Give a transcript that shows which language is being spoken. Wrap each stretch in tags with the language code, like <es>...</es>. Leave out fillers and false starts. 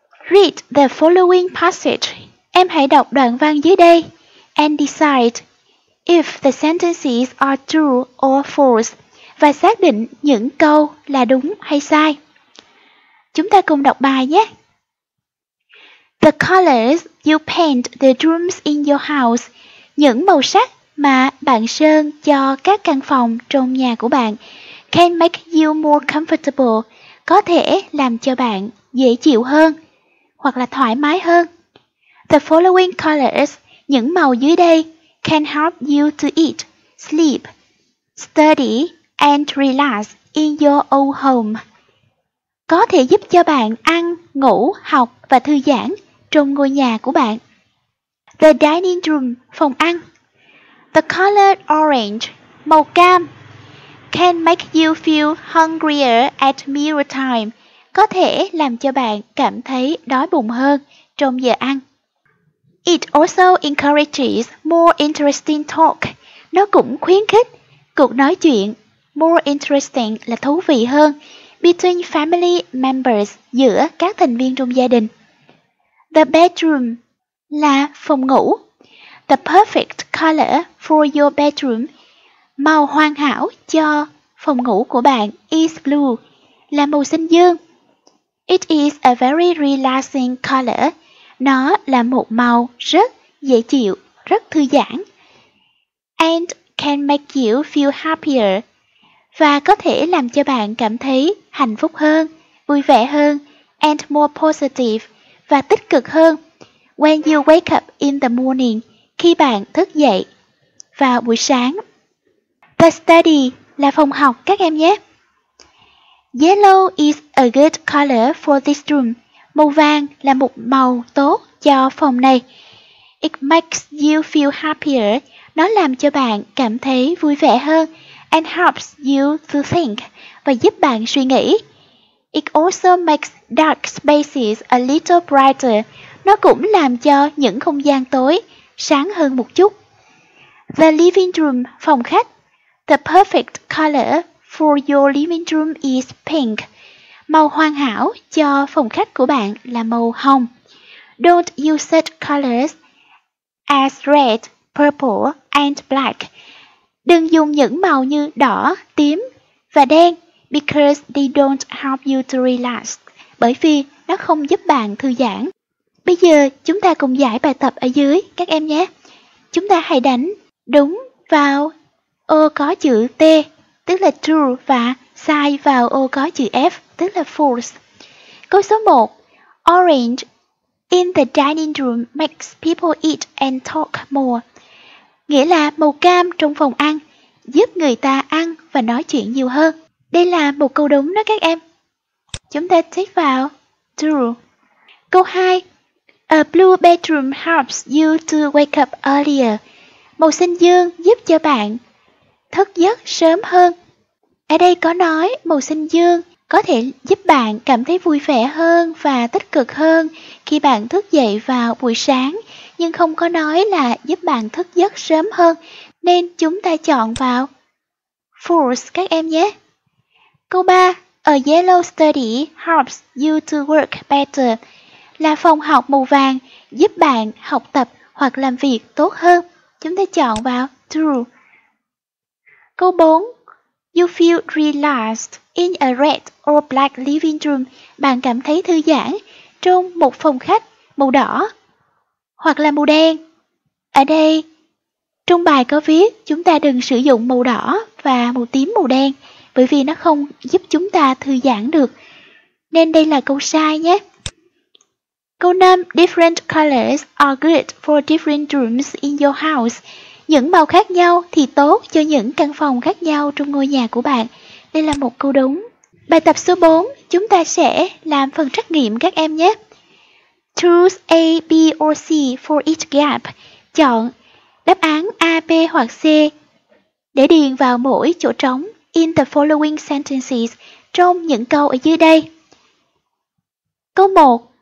<en>Read the following passage.</en> <vi>Em hãy đọc đoạn văn dưới đây.</vi> <en>And decide if the sentences are true or false.</en> <vi>Và xác định những câu là đúng hay sai. Chúng ta cùng đọc bài nhé.</vi> <en>The colors you paint the rooms in your house.</en> <vi>Những màu sắc mà bạn sơn cho các căn phòng trong nhà của bạn</vi> <en>can make you more comfortable.</en> <vi>Có thể làm cho bạn dễ chịu hơn hoặc là thoải mái hơn.</vi> <en>The following colors,</en> <vi>những màu dưới đây,</vi> <en>can help you to eat, sleep, study, and relax in your old home.</en> <vi>Có thể giúp cho bạn ăn, ngủ, học và thư giãn trong ngôi nhà của bạn.</vi> <en>The dining room,</en> <vi>phòng ăn.</vi> <en>The color orange,</en> <vi>màu cam,</vi> <en>can make you feel hungrier at meal time.</en> <vi>Có thể làm cho bạn cảm thấy đói bụng hơn trong giờ ăn.</vi> <en>It also encourages more interesting talk.</en> <vi>Nó cũng khuyến khích cuộc nói chuyện,</vi> <en>more interesting</en> <vi>là thú vị hơn,</vi> <en>between family members,</en> <vi>giữa các thành viên trong gia đình.</vi> <en>The bedroom</en> <vi>là phòng ngủ.</vi> <en>The perfect color for your bedroom.</en> <vi>Màu hoàn hảo cho phòng ngủ của bạn</vi> <en>is blue,</en> <vi>là màu xanh dương.</vi> <en>It is a very relaxing color.</en> <vi>Nó là một màu rất dễ chịu, rất thư giãn.</vi> <en>And can make you feel happier.</en> <vi>Và có thể làm cho bạn cảm thấy hạnh phúc hơn, vui vẻ hơn,</vi> <en>and more positive</en> <vi>và tích cực hơn.</vi> <en>When you wake up in the morning,</en> <vi>khi bạn thức dậy vào buổi sáng. The study là phòng học các em nhé.</vi> <en>Yellow is a good color for this room.</en> <vi>Màu vàng là một màu tốt cho phòng này.</vi> <en>It makes you feel happier.</en> <vi>Nó làm cho bạn cảm thấy vui vẻ hơn.</vi> <en>And helps you to think</en> <vi>và giúp bạn suy nghĩ.</vi> <en>It also makes dark spaces a little brighter.</en> <vi>Nó cũng làm cho những không gian tối sáng hơn một chút.</vi> <en>The living room,</en> <vi>phòng khách.</vi> <en>The perfect color for your living room is pink.</en> <vi>Màu hoàn hảo cho phòng khách của bạn là màu hồng.</vi> <en>Don't use such colors as red, purple, and black.</en> <vi>Đừng dùng những màu như đỏ, tím và đen</vi> <en>because they don't help you to relax.</en> <vi>Bởi vì nó không giúp bạn thư giãn. Bây giờ chúng ta cùng giải bài tập ở dưới các em nhé. Chúng ta hãy đánh đúng vào ô có chữ T, tức là true, và sai vào ô có chữ F, tức là false. Câu số 1.</vi> <en>Orange in the dining room makes people eat and talk more.</en> <vi>Nghĩa là màu cam trong phòng ăn giúp người ta ăn và nói chuyện nhiều hơn. Đây là một câu đúng đó các em. Chúng ta tích vào true. Câu 2.</vi> <en>A blue bedroom helps you to wake up earlier.</en> <vi>Màu xanh dương giúp cho bạn thức giấc sớm hơn. Ở đây có nói màu xanh dương có thể giúp bạn cảm thấy vui vẻ hơn và tích cực hơn khi bạn thức dậy vào buổi sáng, nhưng không có nói là giúp bạn thức giấc sớm hơn, nên chúng ta chọn vào false các em nhé. Câu 3.</vi> <en>A yellow study helps you to work better.</en> <vi>Là phòng học màu vàng giúp bạn học tập hoặc làm việc tốt hơn. Chúng ta chọn vào true. Câu 4.</vi> <en>You feel relaxed in a red or black living room.</en> <vi>Bạn cảm thấy thư giãn trong một phòng khách màu đỏ hoặc là màu đen. Ở đây, trong bài có viết chúng ta đừng sử dụng màu đỏ và màu tím màu đen bởi vì nó không giúp chúng ta thư giãn được. Nên đây là câu sai nhé. Câu 5.</vi> <en>Different colors are good for different rooms in your house.</en> <vi>Những màu khác nhau thì tốt cho những căn phòng khác nhau trong ngôi nhà của bạn. Đây là một câu đúng. Bài tập số 4, chúng ta sẽ làm phần trắc nghiệm các em nhé.</vi> <en>Choose A, B or C for each gap.</en> <vi>Chọn đáp án A, B hoặc C để điền vào mỗi chỗ trống</vi> <en>in the following sentences</en> <vi>trong những câu ở dưới đây. Câu 1.</vi>